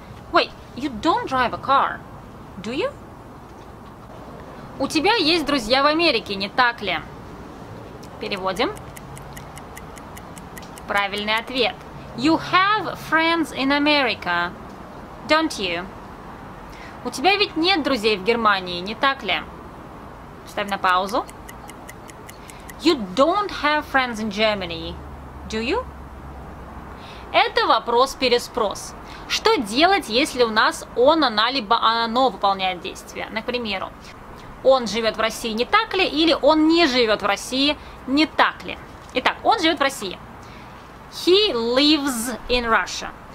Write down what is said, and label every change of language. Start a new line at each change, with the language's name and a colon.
English: Wait, you don't drive a car, do you?
Russian: У тебя есть друзья в Америке, не так ли? Переводим. Правильный ответ.
English: You have friends in America, don't you?
Russian: У тебя ведь нет друзей в Германии, не так ли? Ставь на паузу.
English: You don't have friends in Germany, do you?
Russian: Это вопрос-переспрос. Что делать, если у нас он, она, либо оно выполняет действие? Например, он живет в России, не так ли? Или он не живет в России, не так ли? Итак, он живет в России.
English: He lives in Russia.